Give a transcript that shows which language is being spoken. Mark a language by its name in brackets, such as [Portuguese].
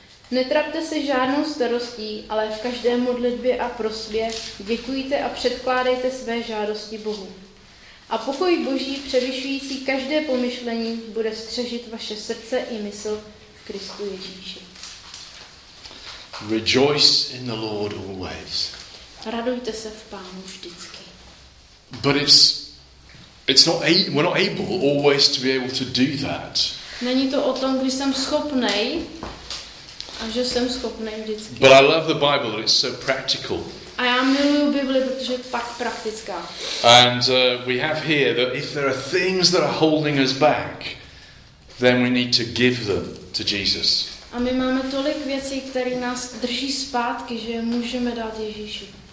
[Czech] Netrapte se žádnou starostí, ale v každé modlitbě a prosbě děkujte a předkládejte své žádosti Bohu. A pokoj Boží převyšující každé pomyšlení bude střežit vaše srdce i mysl Kristu Ježíši. [English] Rejoice in the Lord always. [Czech] Radujte se v Pánu vždycky. [English] But we're not able always to be able to do that. [Czech] Není to o tom, když jsem schopnej, a že jsem schopnej vždycky. [English] But I love the Bible, it's so practical. [Czech] A já miluju Bibli, protože je tak praktická. [English] And we have here that if there are things that are holding us back, then we need to give them to Jesus. [Czech] A my máme tolik věcí, které nás drží zpátky, že můžeme dát Ježíši.